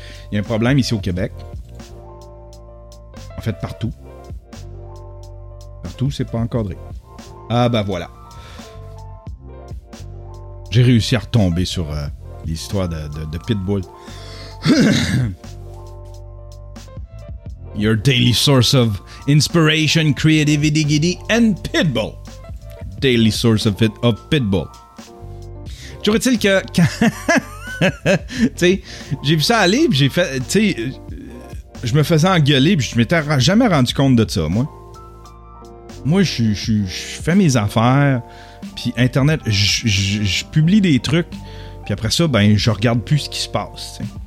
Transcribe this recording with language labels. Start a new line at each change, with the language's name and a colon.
French: Il y a un problème ici au Québec. En fait, partout. Partout, c'est pas encadré. Ah ben voilà. J'ai réussi à retomber sur l'histoire de Pitbull.
English: Your daily source of inspiration, creativity, giddy, and Pitbull. Daily source of it, of Pitbull.
French: J'aurais-t-il que... tu sais, j'ai vu ça aller, puis j'ai fait... Tu sais, je me faisais engueuler, puis je m'étais jamais rendu compte de ça, moi. Moi, je fais mes affaires, puis Internet, je publie des trucs, puis après ça, ben, je regarde plus ce qui se passe, t'sais.